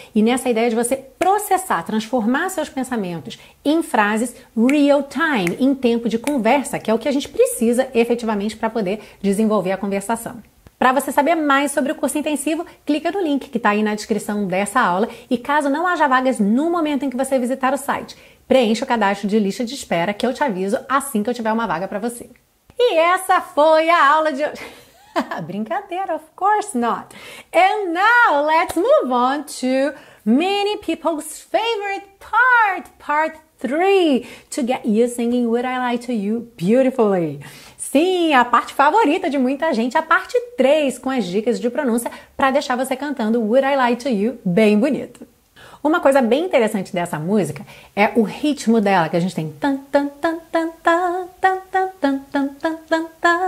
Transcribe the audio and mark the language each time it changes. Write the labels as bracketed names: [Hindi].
[Portuguese] e nessa ideia de você processar, transformar seus pensamentos em frases [English] real time, [Portuguese] em tempo de conversa, que é o que a gente precisa efetivamente para poder desenvolver a conversação. Para você saber mais sobre o curso intensivo, clica no link que está aí na descrição dessa aula e caso não haja vagas no momento em que você visitar o site, preencha o cadastro de lista de espera que eu te aviso assim que eu tiver uma vaga para você. E essa foi a aula de hoje. Brincadeira, [English] of course not. And now let's move on to many people's favorite part, part 3, to get you singing Would I Lie to You beautifully. [Portuguese] Sim, a parte favorita de muita gente, a parte 3 com as dicas de pronúncia para deixar você cantando Would I Lie to You bem bonito. Uma coisa bem interessante dessa música é o ritmo dela, que a gente tem tan tan tan tan tan tan tan tan tan tan tan.